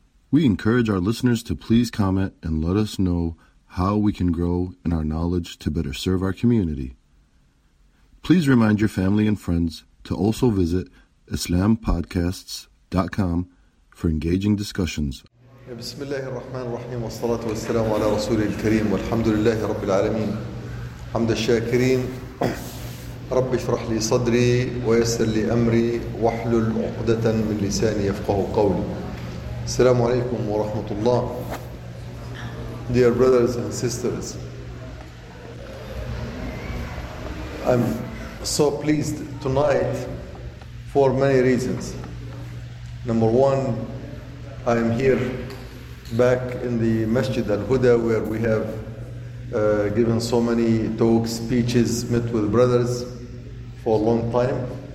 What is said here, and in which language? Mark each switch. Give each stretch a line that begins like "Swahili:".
English: We encourage our listeners to please comment and let us know how we can grow in our knowledge to better serve our community. Please remind your family and friends to also visit IslamPodcasts.com for engaging discussions.
Arabic: بسم الله الرحمن الرحيم والصلاة والسلام على رسول الكريم والحمد لله رب العالمين حمد الشاكرين رب اشرح لي صدري ويسر لي أمري واحلل عقدة من لساني يفقه قولي السلام عليكم ورحمة الله.
English: Dear brothers and sisters, I'm so pleased tonight for many reasons. Number one, I am here back in the Masjid Al-Huda, where we have given so many talks, speeches, met with brothers for a long time.